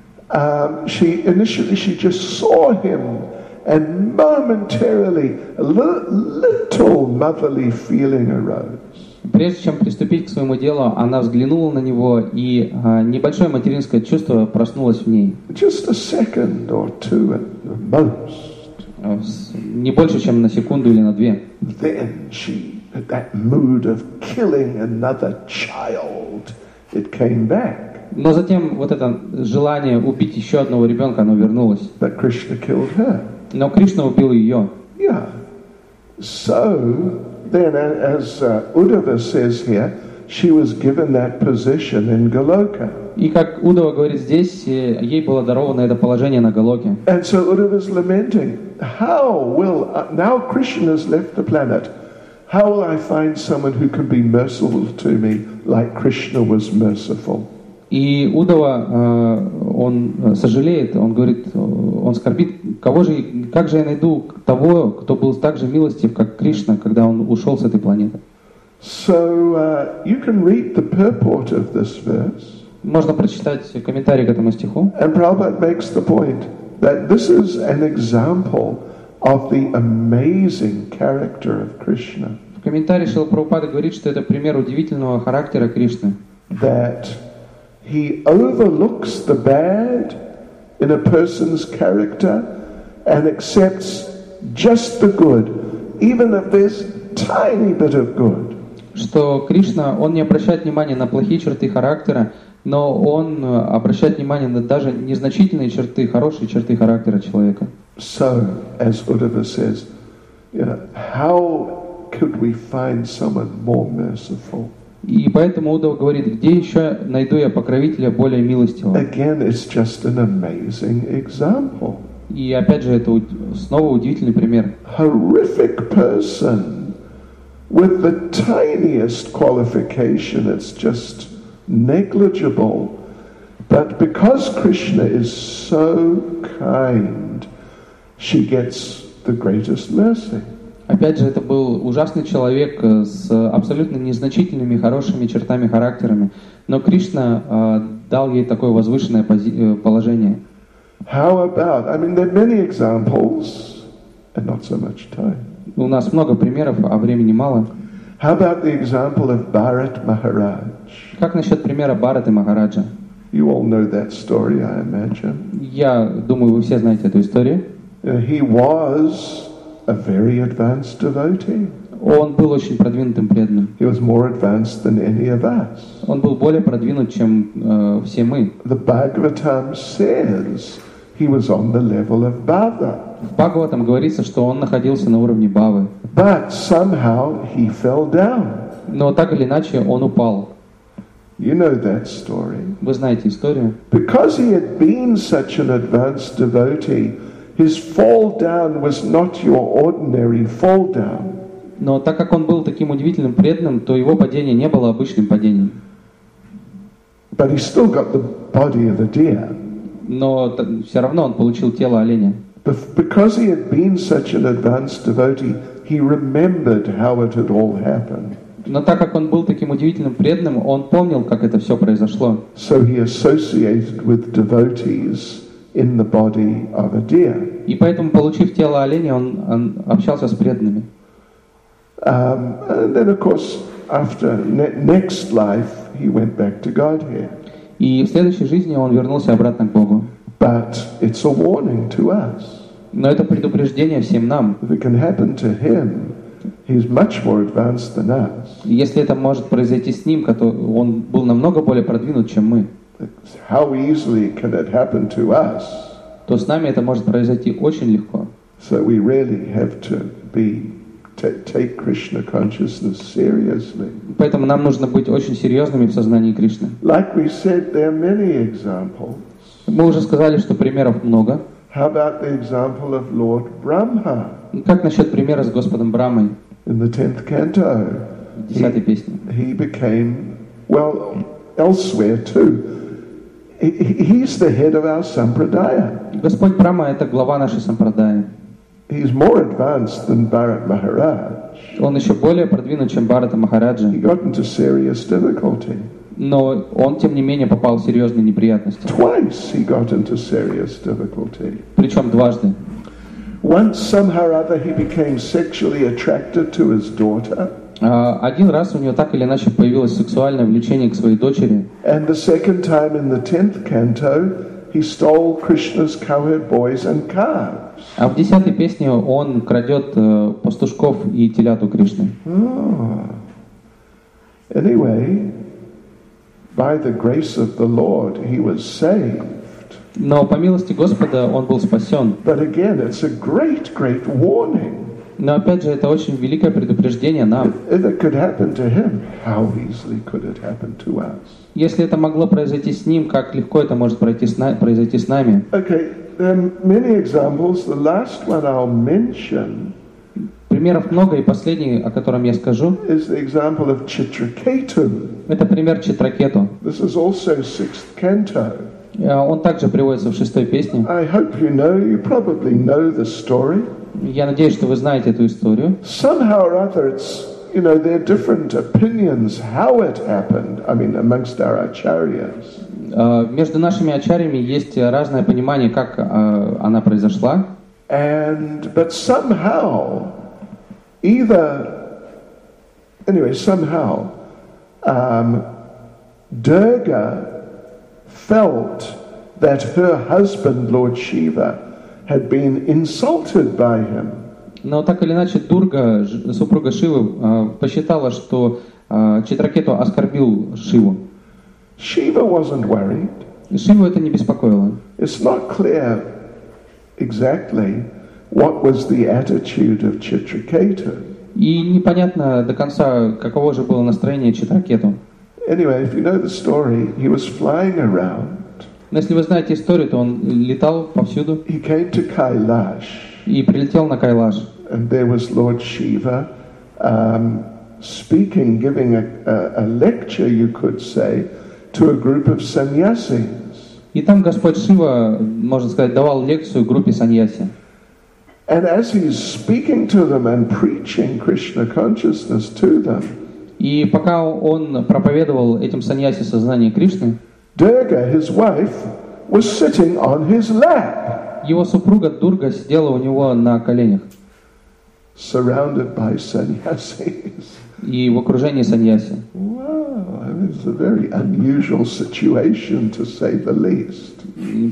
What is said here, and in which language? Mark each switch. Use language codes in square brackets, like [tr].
[en] She initially she just saw him and momentarily a little motherly feeling arose. [ru] Прежде чем приступить к своему делу, она взглянула на него и небольшое материнское чувство проснулось в ней. [en] Just a second or two at the most. [ru] Не больше, чем на секунду или на две. [en] Then she that mood of killing another child, it came back. [ru] Но затем вот это желание убить еще одного ребенка, оно вернулось. [en] But Krishna killed her. [ru] Но Кришна убил ее. [en] Yeah. So then, as Uddhava says here, she was given that position in Goloka. [ru] И как Уддхава говорит здесь, ей было даровано это положение на Голоке. [en] And so Uddhava is lamenting, how will now Krishna has left the planet. How will I find someone who can be merciful to me like Krishna was merciful? [ru] И Удава, он сожалеет, он говорит, он скорбит, кого же, как же я найду того, кто был так же милостив, как Кришна, когда он ушел с этой планеты? [en] So you can read the purport of this verse. [ru] Можно прочитать комментарий к этому стиху. [en] And Prabhupada makes the point that this is an example of the amazing character of Krishna. [ru] В комментарии Шрила Прабхупада говорит, что это пример удивительного характера Кришны. [en] That he overlooks the bad in a person's character and accepts just the good, even if there's tiny bit of good. [ru] Что Кришна, он не обращает внимания на плохие черты характера, но он обращает внимание на даже незначительные черты, хорошие черты характера человека. [en] So, as Uddhava says, you know, how could we find someone more merciful? [ru] И поэтому Уддхава говорит, где еще найду я покровителя более милостивого? [en] Again, it's just an amazing example. [ru] И опять же, это снова удивительный пример. [en] Horrific person with the tiniest qualification, it's just negligible. But because Krishna is so kind, she gets the greatest mercy. [ru] Опять же, это был ужасный человек с абсолютно незначительными хорошими чертами характера, но Кришна дал ей такое возвышенное положение. [en] How about? I mean, there are many examples, and not so much time. [ru] У нас много примеров, а времени мало. [en] How about the example of Bharat Maharaj? [ru] Как насчет примера Бхараты Махараджа? [en] You all know that story, I imagine. [ru] Я думаю, вы все знаете эту историю. [en] He was a very advanced devotee. [ru] Он был очень продвинутым преданным. [en] He was more advanced than any of us. [ru] Он был более продвинут, чем все мы. [en] The Bhagavatam says he was on the level of Bhava. [ru] В Бхагаватам говорится, что он находился на уровне Бхавы. [en] But somehow he fell down. [ru] Но так или иначе он упал. [en] You know that story. [ru] Вы знаете историю. [en] Because he had been such an advanced devotee, His fall down was not your ordinary fall down. [ru] Но так как он был таким удивительным преданным, то его падение не было обычным падением. [en] But he still got the body of a deer. [ru] Но все равно он получил тело оленя. [en] Because he had been such an advanced devotee, he remembered how it had all happened. [ru] Но так как он был таким удивительным преданным, он помнил, как это все произошло. [en] So he associated with devotees in the body of a deer. [ru] И поэтому, получив тело оленя, он общался с преданными. [en] And then, of course, after next life, he went back to Godhead. [ru] И в следующей жизни он вернулся обратно к Богу. [en] But it's a warning to us. [ru] Но это предупреждение всем нам. [en] If it can happen to him, he's much more advanced than us. [ru] Если это может произойти с ним, он был намного более продвинут, чем мы. [en] How easily can it happen to us? [ru] То с нами это может произойти очень легко. [en] So we really have to be take Krishna consciousness seriously. [ru] Поэтому нам нужно быть очень серьезными в сознании Кришны. [en] Like we said, there are many examples. [ru] Мы уже сказали, что примеров много. [en] How about the example of Lord Brahma? [ru] Как насчет примера с Господом Брахмой? [en] In the 10th canto. [ru] В 10-й песне. [en] He became, well, elsewhere too. He's the head of our sampradaya. [ru] Господь Брахма — это глава нашей сампрадаи. [en] He's more advanced than Bharat Maharaj. [ru] Он еще более продвинут, чем Бхарата Махараджа. [en] He got into serious difficulty. [ru] Но он, тем не менее, попал в серьезные неприятности. [en] Twice he got into serious difficulty. [ru] Причем дважды. [en] Once somehow or other he became sexually attracted to his daughter. [ru] Один раз у него так или иначе появилось сексуальное влечение к своей дочери. [en] And the second time in the 10th canto, he stole Krishna's cowherd boys and calves. [ru] А в 10-й песне он крадет пастушков и телят у Кришны. [en] Anyway, by the grace of the Lord, he was saved. [ru] Но по милости Господа он был спасен. [en] But again, it's a great, great warning. [ru] Но опять же, это очень великое предупреждение нам. [en] If it could happen to him, how easily could it happen to us? [ru] Если это могло произойти с ним, как легко это может произойти с нами? [en] Okay, there are many examples. The last one I'll mention. [ru] Примеров много, и последний, о котором я скажу, [en] is the example of Chitraketu. [ru] Это пример Читракету. [en] This is also sixth canto. [ru] Он также приводится в 6-й песне. [en] I hope you know. You probably know the story. [ru] Я надеюсь, что вы знаете эту историю. [en] Somehow or other, it's, you know, there are different opinions how it happened. I mean, amongst our acharyas. [ru] Между нашими ачарьями есть разное понимание, как она произошла. [en] And but somehow, either, anyway, somehow, Durga felt that her husband, Lord Shiva, had been insulted by him. [ru] Но так или иначе, Дурга, супруга Шивы, посчитала, что Читракету оскорбил Шиву. [en] Shiva wasn't worried. [ru] Шиву это не беспокоило. [en] It's not clear exactly what was the attitude of Chitraketu. [ru] И непонятно до конца, каково же было настроение Читракету. [en] Anyway, if you know the story, he was flying around. [ru] Но если вы знаете историю, то он летал повсюду. [en] He came to Kailash. [ru] И прилетел на Кайлаш. [en] And there was Lord Shiva speaking, giving a lecture, you could say, to a group of sannyasis. [ru] И там Господь Шива, можно сказать, давал лекцию группе саньяси. [en] And as he's speaking to them and preaching Krishna consciousness to them. [ru] И пока он проповедовал этим саньяси сознание Кришны. [en] Durga, his wife, was sitting on his lap. [ru] Его супруга Дурга сидела у него на коленях. [en] Surrounded by sannyasis. [ru] И в окружении саньяси. [en] Wow, it's a very unusual situation, to say the least.